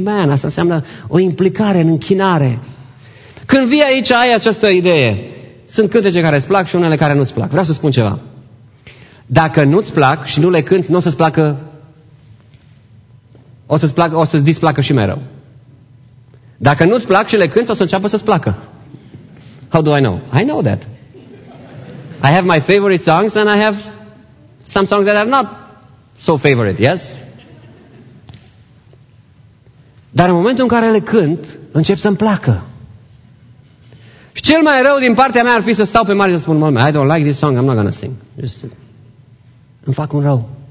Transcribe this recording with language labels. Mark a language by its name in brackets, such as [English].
[Romanian] Amen, asta înseamnă o implicare în închinare. Când vii aici, ai această idee. Sunt cântece care îți plac și unele care nu-ți plac. Vreau să spun ceva. Dacă nu-ți plac și nu le cânti, nu o să-ți placă. O să-ți displacă și mai rău. Dacă nu-ți plac și le cânti, o să înceapă să-ți placă. [English] How do I know? I know that. I have my favorite songs and I have some songs that are not so favorite, yes? [Romanian] Dar în momentul în care le cânt, încep să-mi placă. Și cel mai rău din partea mea ar fi să stau pe mare și să spun, [English] I don't like this song, I'm not gonna sing. [Romanian] Just... Îmi fac un rău.